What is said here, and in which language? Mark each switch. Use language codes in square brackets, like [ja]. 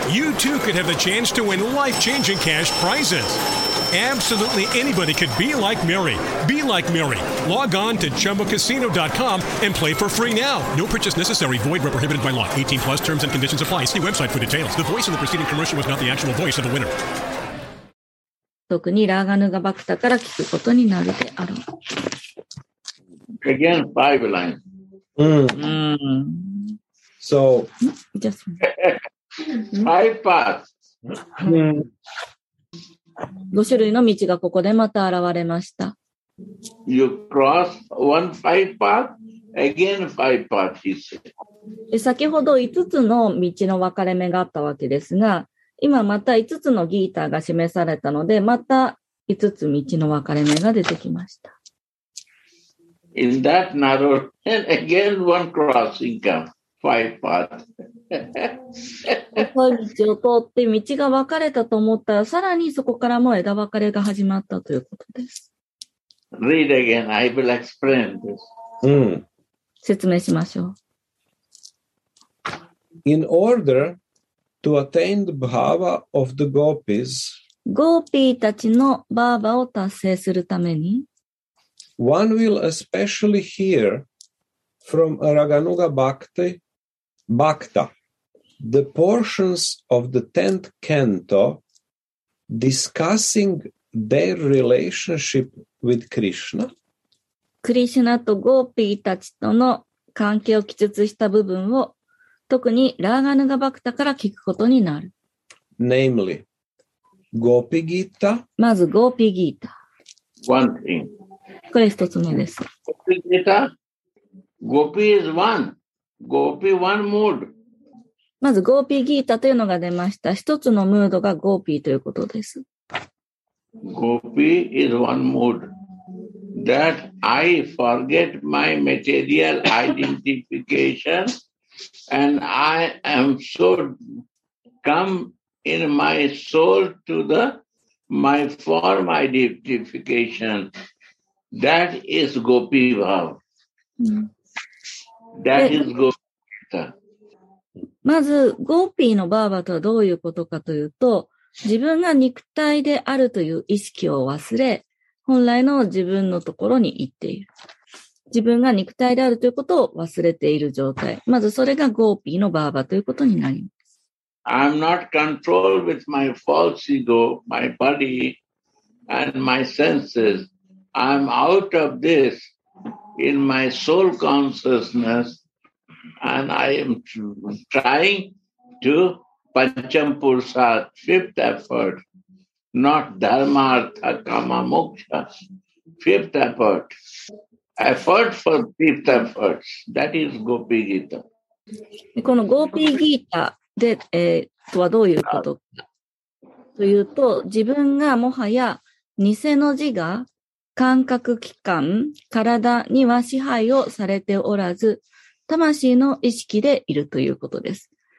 [en] You too could have the chance to win life-changing cash prizes. Absolutely anybody could be like Mary. Be like Mary. Log on to ChumbaCasino.com and play for free now. No purchase necessary. Void where prohibited by law. 18 plus terms and conditions apply. See website for details. The voice of the preceding commercial was not the actual voice of the winner. [ja] 特にラーガヌガバクタから聞くことになるであろう。 [en] Again, five lines. So, five paths. [ja] 5種類の道がここでまた現れました。 [en] You cross one five path, again five paths, he said. [ja] 先ほど5つの道の分かれ目があったわけですが、今また5つのギーターが示されたので、また5つ道の分かれ目が出てきました。 [en] In that narrow, and again one crossing comes, five paths. [ja] 細い道を通って道が分かれたと思ったら、さらにそこからも枝分かれが始まったということです。 [en] Read again, I will explain this. [ja] 説明しましょう。 [en] In order to attain the bhava of the gopis, [ja] ゴーピーたちのバーバを達成するために、 [en] one will especially hear from a Raganuga Bhakta the portions of the 10th canto discussing their relationship with Krishna. [ja] クリシュナとゴーピーたちとの関係を記述した部分を特にラーガヌガバクタから聞くことになる。 [en] Namely, Gopi Gita. [ja] まずゴーピーギータ。 [en] One thing. [ja] これ一つ目です。 [en] Gopi Gita. Gopi is one. Gopi one mood. [ja] まずゴーピーギータというのが出ました。一つのムードがゴーピーということです。 [en] ゴーピー is one mood that I forget my material identification and I am so come in my soul to the my form identification that is Gopi Bhav. That is Gopi Gita. [ja] まずゴーピーのバーバとはどういうことかというと、自分が肉体であるという意識を忘れ、本来の自分のところに行っている。自分が肉体であるということを忘れている状態。まずそれがゴーピーのバーバということになります。 [en] I'm not controlled with my false ego, my body, and my senses. I'm out of this in my soul consciousness, and I am trying to pancham pursat, fifth effort, not dharmartha kama moksha, fifth effort. Effort for fifth efforts. That is Gopi Gita. [ja] このゴーピーギータで、とはどういうことかというと、自分がもはや偽の自我、感覚器官、体には支配をされておらず、魂の意識でいるということです。